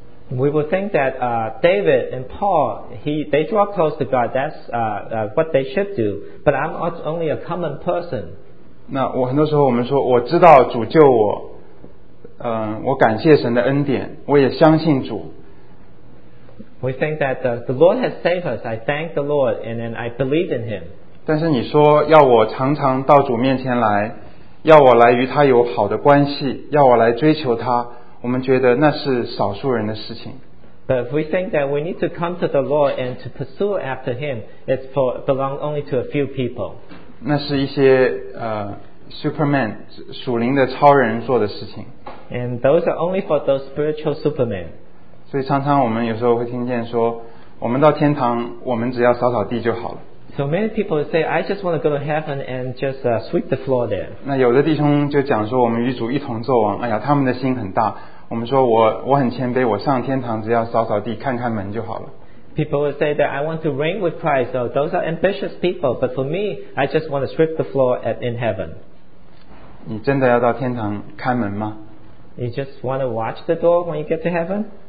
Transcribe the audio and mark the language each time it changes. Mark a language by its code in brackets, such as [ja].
[en] We would think that David and Paul, they draw close to God. That's what they should do. But I'm only a common person. [zh] 那我很多时候我们说我知道主救我，我感谢神的恩典，我也相信主。 [en] We think that the Lord has saved us. I thank the Lord, and then I believe in Him. [zh] 但是你说要我常常到主面前来，要我来与他有好的关系，要我来追求他。我们觉得那是少数人的事情。 [en] But if we think that we need to come to the Lord and to pursue after Him, it's for belong only to a few people. [zh] 那是一些Superman 属灵的超人做的事情。 [en] And those are only for those spiritual Superman. [zh] 所以常常我们有时候会听见说，我们到天堂，我们只要扫扫地就好了。 [en] So many people say, I just want to go to heaven and just sweep the floor there. [zh] 那有的弟兄就讲说，我们与主一同作王，哎呀，他们的心很大。我们说我很谦卑，我上天堂只要扫扫地看看门就好了。 [en] People would say that I want to reign with Christ, so those are ambitious people, but for me I just want to sweep the floor in heaven. [zh] 你真的要到天堂开门吗？ [en] You just want to watch the door when you get to heaven?